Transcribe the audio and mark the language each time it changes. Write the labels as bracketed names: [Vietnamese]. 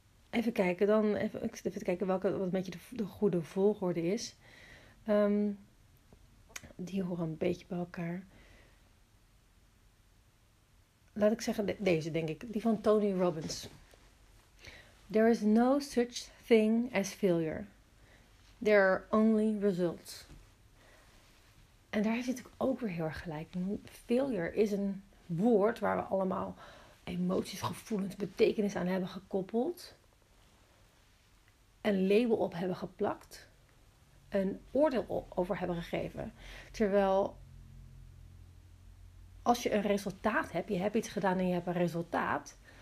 [Dutch] Even kijken, dan even kijken welke wat een beetje de goede volgorde is. Die horen een beetje bij elkaar. Laat ik zeggen, deze denk ik. Die van Tony Robbins. [English] There is no such thing as failure. There are only results. [Dutch] En daar zit ik ook weer heel erg gelijk. Failure is een woord waar we allemaal emoties, gevoelens, betekenis aan hebben gekoppeld. Een label op hebben geplakt. Een oordeel over hebben gegeven. Terwijl, als je een resultaat hebt, je hebt iets gedaan en je hebt een resultaat.